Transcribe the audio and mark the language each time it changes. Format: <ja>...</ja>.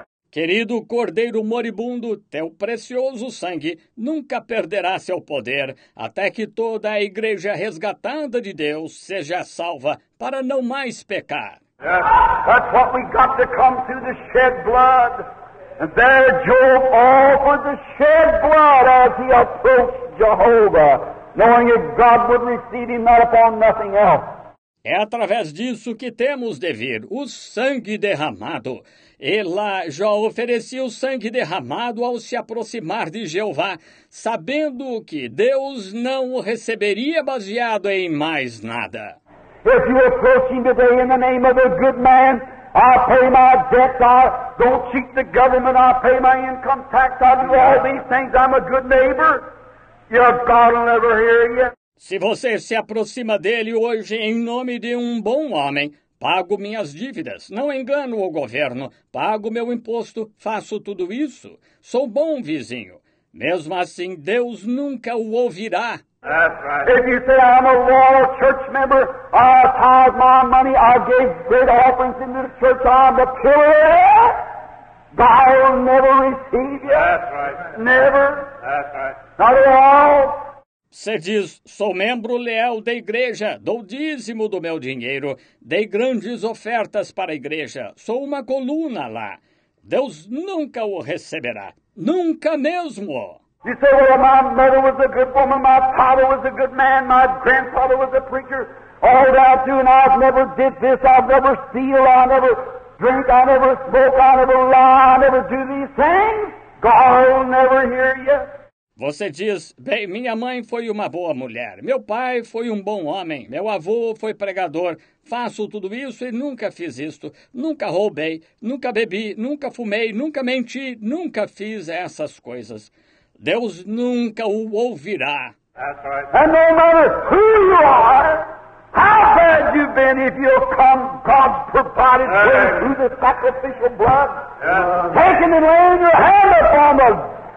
<pt>Querido Cordeiro Moribundo, teu precioso sangue nunca perderá seu poder até que toda a igreja resgatada de Deus seja salva para não mais pecar.</pt> <en>Yes. That's what we got to come through the shed blood. And there Job offered the shed blood as he approached Jehovah, knowing if God would receive him not upon nothing else.</en> <pt>É através disso que temos de vir, o sangue derramado. E lá Jó oferecia o sangue derramado ao se aproximar de Jeová, sabendo que Deus não o receberia baseado em mais nada.</pt> <en>If you approach me today in the name of a good man, I pay my debts, I don't cheat the government, I pay my income tax, I do all these things, I'm a good neighbor, your God will never hear you.</en> <pt>Se você se aproxima dele hoje em nome de um bom homem, pago minhas dívidas, não engano o governo, pago meu imposto, faço tudo isso, sou bom vizinho. Mesmo assim, Deus nunca o ouvirá.</pt> <en>If you say I'm a loyal church member, I tithe my money, I gave great offerings into the church, I'm a pillar, God will never receive you. Never. That's right. Not at all.</en> <pt>Você diz, sou membro leal da igreja, dou dízimo do meu dinheiro, dei grandes ofertas para a igreja, sou uma coluna lá. Deus nunca o receberá, nunca mesmo.</pt> <en>You say, well, my mother was a good woman, my father was a good man, my grandfather was a preacher, all that I do, and I've never did this, I've never steal, I never drink, I never smoke, I never lie, I never do these things, God will never hear you.</en> <pt>Você diz, bem, minha mãe foi uma boa mulher, meu pai foi um bom homem, meu avô foi pregador, faço tudo isso e nunca fiz isto, nunca roubei, nunca bebi, nunca fumei, nunca menti, nunca fiz essas coisas. Deus nunca o ouvirá.</pt> <en>And no matter who you are, how bad you've been, if you'll come, God's provided for you through the sacrificial blood, taking and laying your hand upon the</en>